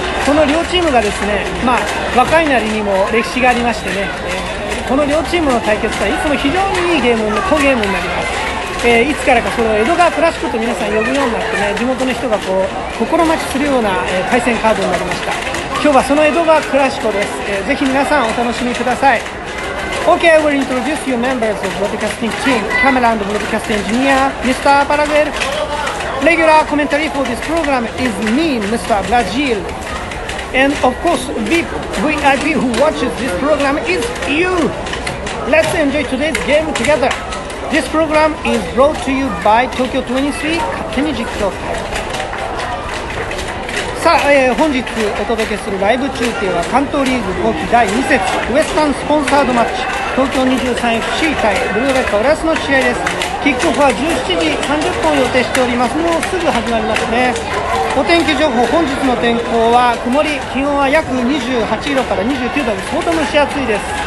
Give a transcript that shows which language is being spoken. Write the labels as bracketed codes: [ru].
[ja] この両チームがですね、まあ、若いなりにも歴史がありましてね、この両チームの対決はいつも非常にいいゲーム、好ゲームになります。いつからかそれを江戸川クラシコと皆さん呼ぶようになってね、地元の人がこう心待ちするような、対戦カードになりました。今日はその江戸川クラシコです、ぜひ皆さんお楽しみください。 [en] Okay, I will introduce you members of broadcasting team, camera and broadcasting engineer, Mr. Paraguel. Regular commentary for this program is me, Mr. Brazil. And of course, VIP who watches this program is you. Let's enjoy today's game together. This program is brought to you by Tokyo 23 Kakemijik Tokyo. [ja] 本日お届けするライブ中継は関東リーグ後期第2節ウエスタンスポンサードマッチ東京 23FC 対ブルーレッド浦安の試合です。キックオフは17時30分予定しております。もうすぐ始まりますね。お天気情報、本日の天候は曇り、気温は約28度から29度で相当蒸し暑いです。